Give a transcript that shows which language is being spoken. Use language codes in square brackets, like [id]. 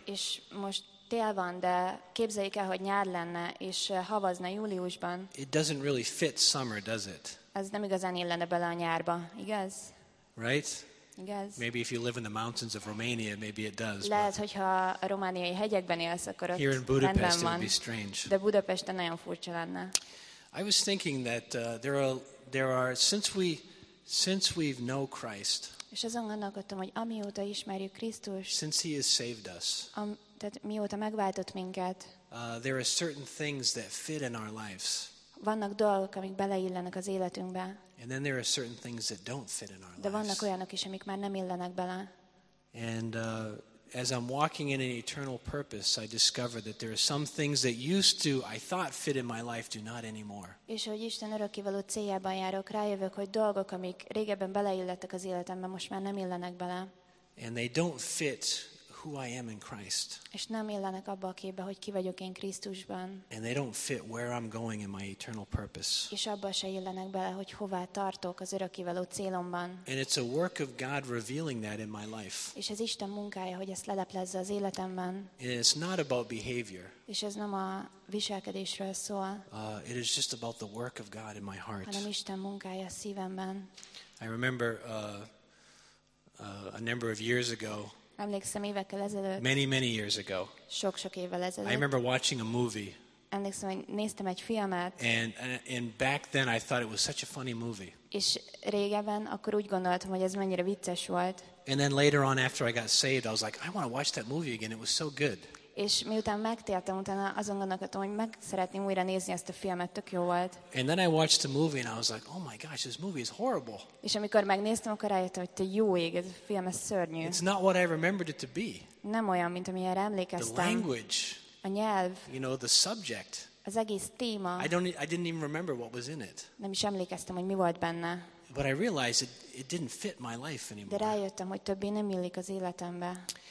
[hu] És most tél van, de képzeljük el, hogy nyár lenne és havazna júliusban. [en] It doesn't really fit summer, does it? [hu] Ez nem igazán illene bele a nyárba, igaz? [en] Right? [hu] Igaz. [en] Maybe if you live in the mountains of Romania, maybe it does. [hu] Lehet, hogyha a romániai hegyekben élsz, akkor ott. [en] Here in Budapest it would be strange. [hu] De Budapesten nagyon furcsa lenne. [en] I was thinking that there are since we've know Christ. [hu] És azon gondolkodtam, hogy amióta ismerjük Krisztust. [en] Since he has saved us. [hu] Tehát mióta megváltott minket. [en] There are certain things that fit in our lives. [hu] Vannak dolgok, amik beleillenek az életünkbe. [en] And then there are certain things that don't fit in our lives. [hu] De vannak olyanok is, amik már nem illenek bele. [en] And as I'm walking in an eternal purpose, I discover that there are some things that used to, I thought, fit in my life, do not anymore. [hu] És ahogy Isten örökkévaló céljában járok, rájövök, hogy dolgok, amik régebben beleillettek az életembe, most már nem illenek bele. [en] And they don't fit who I am in Christ. [hu] És nem illenek abba a képbe, hogy ki vagyok én Krisztusban. [en] And they don't fit where I'm going in my eternal purpose. [hu] És abba se illenek bele, hogy hová tartok az örökkévaló célomban. [en] And it's a work of God revealing that in my life. [hu] És ez Isten munkája, hogy ezt leleplezze az életemben. [en] And it's not about behavior. [hu] És ez nem a viselkedésről szól. [en] It is just about the work of God in my heart. [hu] Hanem Isten munkája a szívemben. [en] I remember a number of years ago. [hu] Emlékszem évekkel ezelőtt. [en] Many, many years ago. [hu] Sok-sok évvel ezelőtt. [en] I remember watching a movie. [hu] Emlékszem, hogy néztem egy filmet. [en] And back then I thought it was such a funny movie. [hu] És régebben akkor úgy gondoltam, hogy ez mennyire vicces volt. [en] And then later on after I got saved, I was like, I want to watch that movie again. It was so good. [hu] És miután megtértem, utána azon gondolkodtam, hogy meg szeretném újra nézni ezt a filmet, tök jó volt. [en] And then I watched the movie and I was like, oh my gosh, this movie is horrible. [hu] És amikor megnéztem, akkor rájöttem, hogy te jó ég, ez a film, ez szörnyű. [en] It's not what I remembered it to be. [hu] Nem olyan, mint amilyenre emlékeztem. [en] The language. [hu] A nyelv. [en] You know, the subject. [hu] Az egész téma. [en] I didn't even remember what was in it. [hu] Nem is emlékeztem, hogy mi volt benne. [en] But I realized it didn't fit my life anymore. [hu] De rájöttem, hogy többé nem illik az életembe.